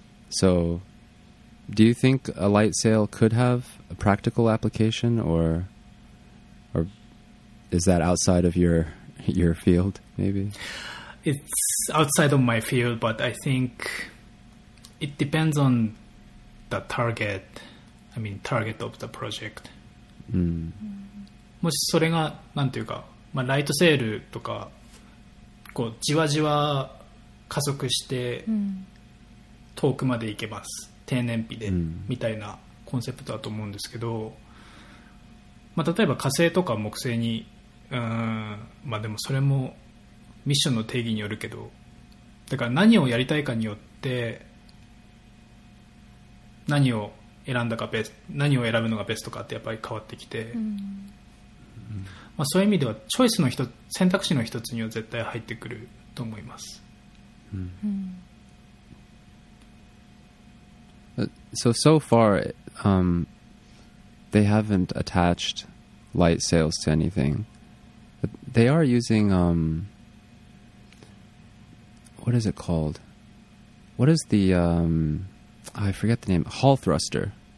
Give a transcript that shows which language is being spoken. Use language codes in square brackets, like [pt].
[en] So do you think a light sail could have a practical application, or is that outside of your field, maybe? It's outside of my field, but I think it depends on the target of the project. [ja] もしそれがなんていうか、まあ、ライトセールとかこうじわじわ加速して遠くまで行けます低燃費でみたいなコンセプトだと思うんですけど、まあ、例えば火星とか木星にまあでもそれもミッションの定義によるけど、だから何をやりたいかによって何を選ぶのがベストかってやっぱり変わってきて、まあそういう意味ではチョイスの一つ選択肢の一つには絶対入ってくると思います。 [en] So far, they haven't attached light sails to anything. But they are using, what is it called? What is the, I forget the name, hull thruster.